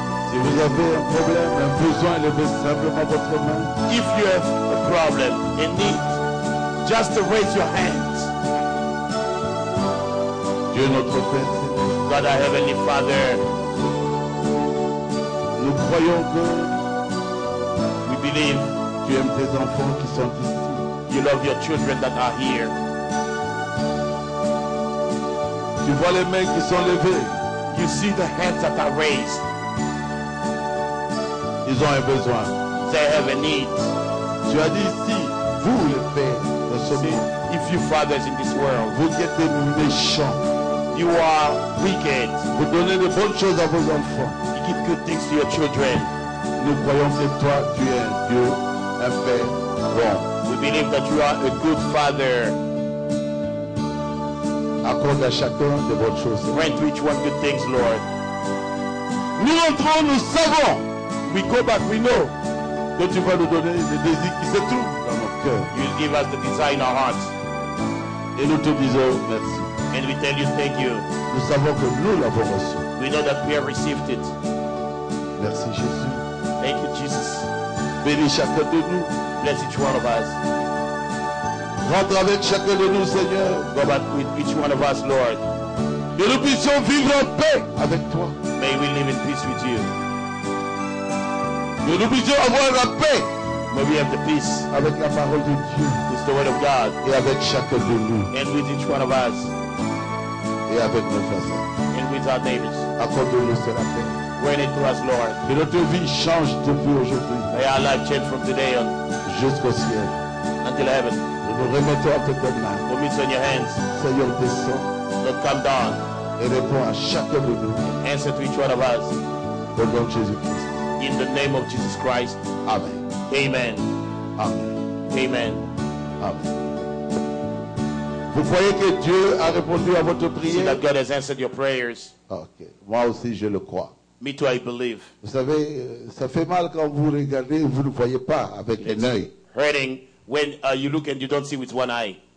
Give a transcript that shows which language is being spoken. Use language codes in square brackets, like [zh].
[fr] Si vous avez un problème, un besoin, levez simplement votre main. [en] If you have a problem, a need, just raise your hand. [fr] Dieu notre Père. [en] God our Heavenly Father. [fr] Nous croyons que [en] we believe [fr] tu aimes tes enfants qui sont ici. [en] You love your children that are here. [fr] Tu vois les mains qui sont levées. [en] You see the hands that are raised. [fr] Ils ont un besoin. [en] They have a need. [fr] Tu as dit ici, vous le Père de ce monde. [en] If you fathers in this world, [fr] vous êtes des méchants. [en] You are wicked. [fr] Vous donnez de bonnes choses à vos enfants. [en] You give good things to your children. [fr] Nous croyons que toi, tu es un Dieu, un Père bon. [en] We believe that you are a good father. [fr] Accorde à chacun de bonnes choses. [en] Grant to each one good things, Lord. [fr] Nous entrons, nous savons. [en] We go back, we know. [fr] Que tu vas nous donner le désir qui se trouve dans notre cœur. [en] You will give us the desire in our hearts. [fr] Et nous te disons merci. [en] And we tell you thank you. [fr] Nous savons que nous l'avons reçu. [en] We know that we have received it. [fr] Merci Jésus. [en] Thank you Jesus. [fr] Bénis chacun de nous. [en] Bless each one of us. [fr] Rentre avec chacun de nous Seigneur. [en] Go back with each one of us Lord. [fr] Que nous puissions vivre en paix avec toi. [en] May we live in peace with you. [fr] Que nous puissions avoir la paix. [en] May we have the peace. [fr] Avec la parole de Dieu. [en] With the word of God. [fr] Et avec chacun de nous. [en] And with each one of us. [fr] Et avec nos voisins. [en] And with our neighbors. [fr] Accorde-nous cela. [en] Grant it to us, Lord. [fr] Que notre vie change depuis aujourd'hui. [en] May our life change from today on. [fr] Jusqu'au ciel. [en] Until heaven. [fr] Nous nous remettons à tes mains. [en] Put it on your hands. [fr] Seigneur, descends. [en] Lord, come down. [fr] Et réponds à chacun de nous. [en] Answer to each one of us. [fr] Au nom de Jésus-Christ. [en] In the name of Jesus Christ. Amen. Amen. Amen. Amen. Amen. [fr] Vous croyez que Dieu a répondu à votre prière? [en] See that God has answered your prayers. [fr] Okay. Moi aussi, je le crois. [en] Me too, I believe. [fr] Vous savez, ça fait mal quand vous regardez, vous ne voyez pas avec un œil. [en] Hurting when you look and you don't see with one eye.